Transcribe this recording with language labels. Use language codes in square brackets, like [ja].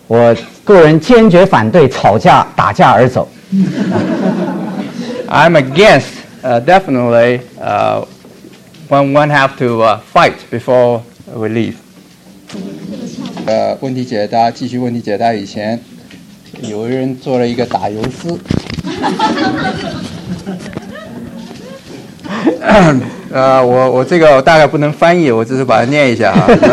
[zh] 我个人坚决反对吵架打架而走。 [en] I'm against when one have to fight before we leave. [zh] 问题解答，继续问题解答以前，有人做了一个打油诗。我这个我大概不能翻译，我只是把它念一下啊。